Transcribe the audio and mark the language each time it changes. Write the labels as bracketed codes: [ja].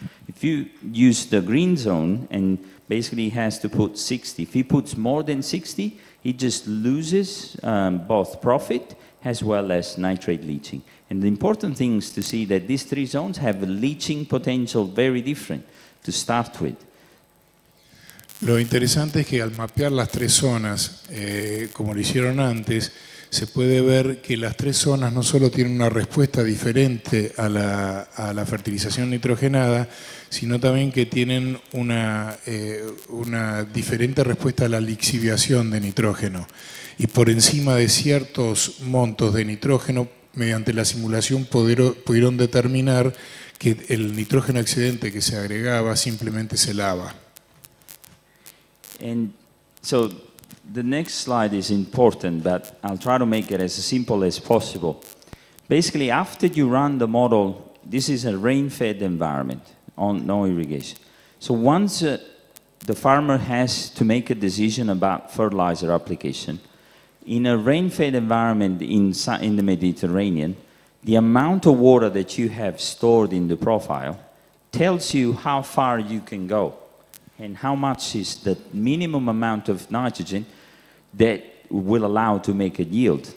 [en] If you use the green zone, and basically he has to put 60. If he puts more than 60, he just loses both profit as well as nitrate leaching. And the important thing is to see that these three zones have a leaching potential very different. To start with. [es] Lo interesante es que al mapear las tres zonas, como lo hicieron antes, se puede ver que las tres zonas no solo tienen una respuesta diferente a la fertilización nitrogenada, sino también que tienen una diferente respuesta a la lixiviación de nitrógeno. Y por encima de ciertos montos de nitrógeno, mediante la simulación pudieron determinar que el nitrógeno excedente que se agregaba simplemente se lava. [en] And so the next slide is important, but I'll try to make it as simple as possible. Basically, after you run the model, this is a rain-fed environment, on no irrigation. So once the farmer has to make a decision about fertilizer application, in a rain-fed environment in the Mediterranean, the amount of water that you have stored in the profile tells you how far you can go and how much is the minimum amount of nitrogen that will allow to make a yield.